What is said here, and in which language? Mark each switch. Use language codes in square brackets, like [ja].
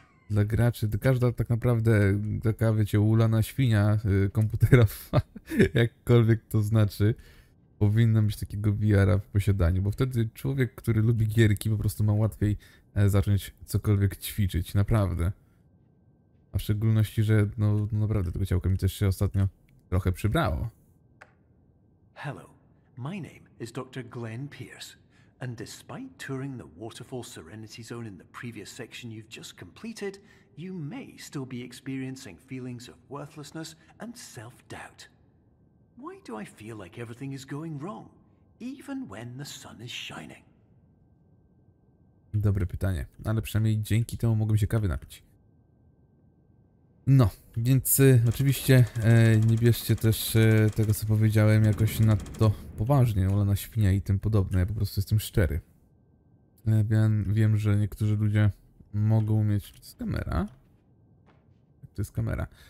[pl] dla graczy, każda tak naprawdę taka, wiecie, ulana świnia komputerowa, jakkolwiek to znaczy, powinna mieć takiego VR-a w posiadaniu, bo wtedy człowiek, który lubi gierki, po prostu ma łatwiej zacząć cokolwiek ćwiczyć, naprawdę. A w szczególności, że no naprawdę tego ciałka mi też się ostatnio trochę przybrało. [en] Hello, my name is Dr. Glenn Pierce. And despite touring the Waterfall Serenity Zone in the previous section you've just completed, you may still be experiencing feelings of worthlessness and self-doubt. Why do I feel like everything is going wrong, even when the sun is shining? [pl] Dobre pytanie, ale przynajmniej dzięki temu mogłem się kawy napić. No, więc oczywiście nie bierzcie też tego, co powiedziałem, jakoś na to poważnie, ulana świnia i tym podobne. Ja po prostu jestem szczery. Wiem, że niektórzy ludzie mogą mieć... Czy to jest kamera? Jak to jest kamera?